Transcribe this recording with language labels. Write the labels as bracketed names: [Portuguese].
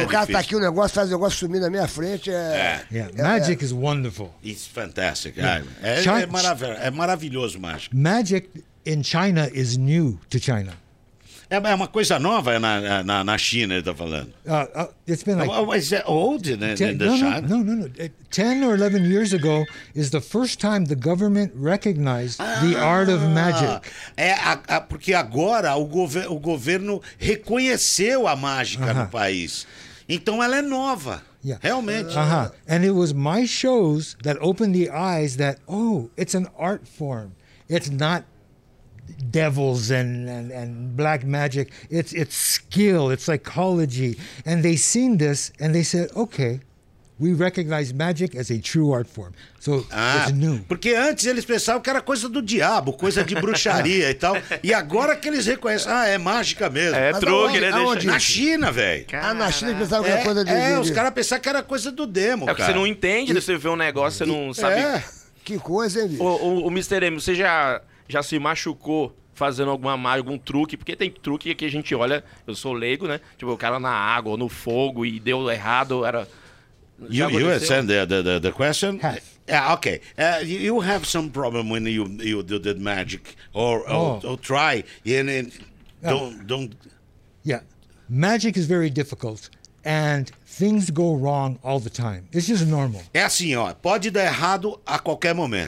[Portuguese] O cara tá aqui, o negócio faz o negócio sumir na minha frente. [English] Magic is wonderful. It's fantastic. [Portuguese] É maravilhoso, mágico. [English] Magic in China is new to China. [Portuguese] É uma coisa nova na China, ele tá falando. [English] It's been like. Is that old in the China? No. 10 or 11 years ago is the first time the government recognized the art of magic. [Portuguese] Porque agora o governo reconheceu a mágica no país. Então ela é nova. [English] Yeah. [Portuguese] Realmente. [English] And it was my shows that opened the eyes that, it's an art form. It's not devils and black magic. It's skill. It's psychology. And they seen this and they said, okay, we recognize magic as a true art form. So it's new. [Portuguese] Porque antes eles pensavam que era coisa do diabo, coisa de bruxaria e tal. E agora que eles reconhecem, é mágica mesmo. É truque, né? Na China, velho. Ah, na China eles pensavam que era coisa de... os caras pensavam que era coisa do demo, cara. É que você não entende, você vê um negócio, você não sabe... Que coisa, hein, bicho? O Mr. M, você já se machucou fazendo alguma mágica, algum truque? Porque tem truque que a gente olha, eu sou leigo, né? Tipo, o cara na água, ou no fogo, e deu errado, era... [English] You send the question? Have. Yeah, okay. You have some problem when you do the magic, or try, and then don't... Yeah, magic is very difficult, and things go wrong all the time. It's just normal. [Portuguese] É assim, ó. Pode dar errado a qualquer momento.